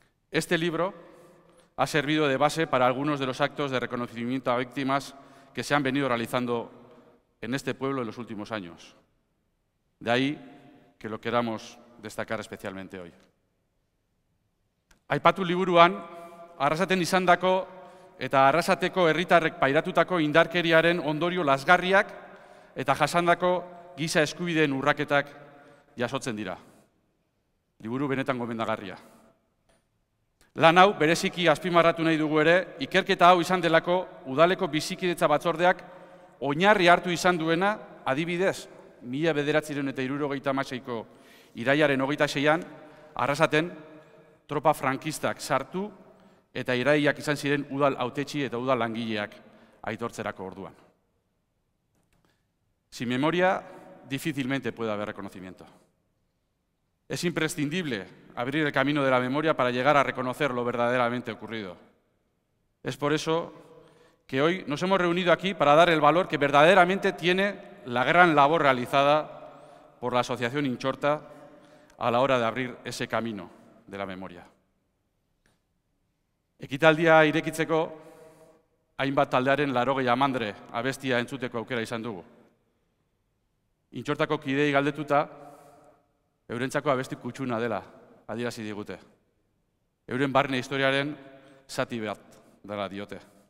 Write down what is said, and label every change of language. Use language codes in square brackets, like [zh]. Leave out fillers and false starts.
[es] Este libro ha servido de base para algunos de los actos de reconocimiento a víctimas que se han venido realizando en este pueblo en los últimos años. De ahí que lo queramos destacar especialmente hoy. [eu] Aipatu liburuan, Arrasaten izandako eta Arrasateko herritarrek pairatutako indarkeriaren ondorio lazgarriak eta jasandako giza eskubideen urraketak jasotzen dira. Liburu benetan gomendagarria. Lan hau bereziki azpimarratu nahi dugu ere, ikerketa hau izan delako udaleko bizikidetza batzordeak oinarri hartu izan duena, adibidez, 1976ko irailaren 26an, Arrasaten tropa frankistak sartu eta irailak izan ziren udal hautetxi eta udal langileak aitortzerako orduan. [es] Sin memoria, difícilmente puede haber reconocimiento. Es imprescindible abrir el camino de la memoria para llegar a reconocer lo verdaderamente ocurrido. Es por eso que hoy nos hemos reunido aquí para dar el valor que verdaderamente tiene la gran labor realizada por la Asociación Intxorta a la hora de abrir ese camino de la memoria. [eu] Ekitaldia irekitzeko, hainbat taldearen 80 mandre abestia entzuteko aukera izan dugu. Intxortako kidei galdetuta, eurentzako abesti kutxuna dela, adierazi digute. Euren barne historiaren zati bat dela diote.